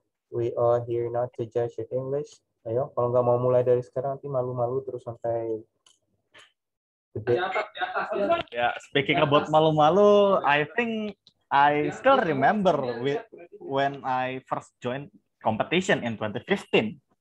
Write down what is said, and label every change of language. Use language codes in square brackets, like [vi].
[en] We are here not to judge your English. [id] Ayo, kalau nggak mau mulai dari sekarang, nanti malu-malu terus sampai... [en] Ya, yeah, speaking about [id] malu-malu, [en] I think I still remember when I first joined competition in 2015.